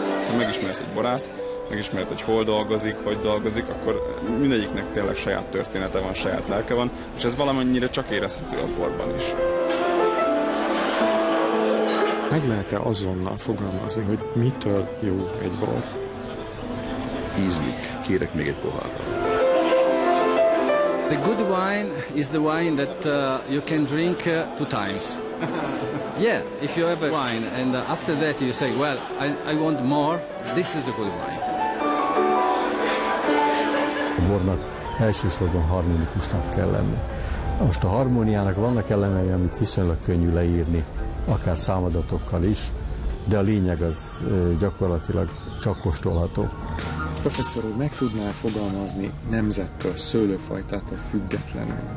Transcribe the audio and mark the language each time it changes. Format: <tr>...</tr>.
<hu>Ha megismersz egy borászt, megismered, hogy hol dolgozik, hogy dolgozik, akkor mindegyiknek tényleg saját története van, saját lelke van, és ez valamennyire csak érezhető a borban is. Meg lehet-e azonnal fogalmazni, hogy mitől jó egy bor? Ízlik, kérek még egy pohárra.</hu> <en>The good wine is the wine that you can drink two times. Yeah, if you have a wine and after that you say, well, I want more, this is the good wine.</en> <hu>Bornak elsősorban harmonikusnak kell lenni. Most a harmóniának vannak elemei, amit viszonylag könnyű leírni, akár számadatokkal is, de a lényeg az gyakorlatilag csak kóstolható. Professzor úr, meg tudná fogalmazni nemzettől, szőlőfajtától függetlenül?</hu>